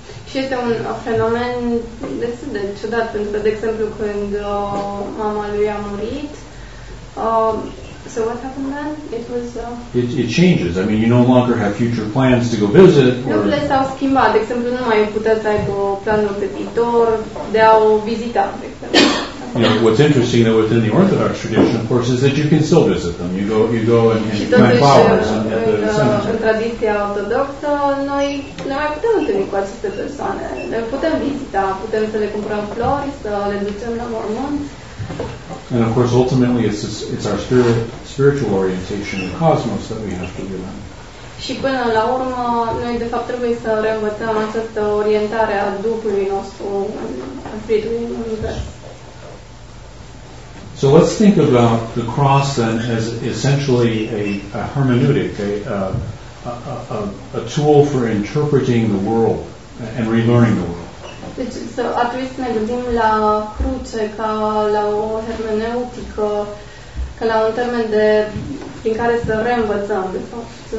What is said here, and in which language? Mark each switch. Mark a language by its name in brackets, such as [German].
[Romanian] Și este un fenomen destul de ciudat, pentru că, de exemplu, când mama lui a murit, [English] so what happened then? It was it changes. I mean, you no longer have future plans to go visit. [Romanian] Lucrurile s-au schimbat. De exemplu, nu mai puteți să aibă planul pe viitor de a o vizita, de exemplu. [English] You know, what's interesting, though, within the Orthodox tradition, of course, is that you can still visit them. You go and plant flowers and at the cemetery. [Romanian] În tradiția ortodoxă, noi ne mai putem întâlni cu aceste persoane. Le putem vizita, putem să le cumpărăm flori, să le ducem la mormânt. [English] And of course, ultimately, it's our spiritual orientation in the cosmos that we have to do that. [Romanian] Și până la urmă, noi de fapt trebuie să reînvățăm această orientare a Duhului nostru în spiritul univers. [English] So let's think about the cross then as essentially a hermeneutic, a tool for interpreting the world and relearning the world. [Romanian] Deci, [English] so [Romanian] ar trebui să ne gândim la cruce ca la o hermeneutică, ca la un termen de prin care să reînvățăm, de fapt,